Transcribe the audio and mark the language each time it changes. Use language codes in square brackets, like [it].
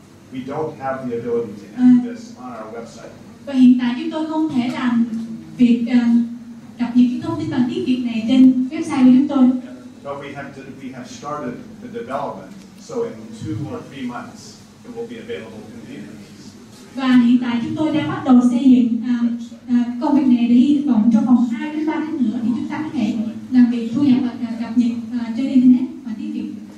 [en] We don't have the ability to enter this on our website. [vi] Và hiện tại chúng tôi không thể làm việc cập nhật những thông tin bằng tiếng Việt này trên website của chúng tôi. [en] But we have started the development, so in 2 or 3 months it will be available in the internet. [vi] Và hiện tại chúng tôi đang bắt đầu xây dựng công việc này để hy vọng trong vòng 2 đến 3 tháng nữa thì chúng ta có thể làm việc thu nhập và cập nhật trên internet và tiếng Việt.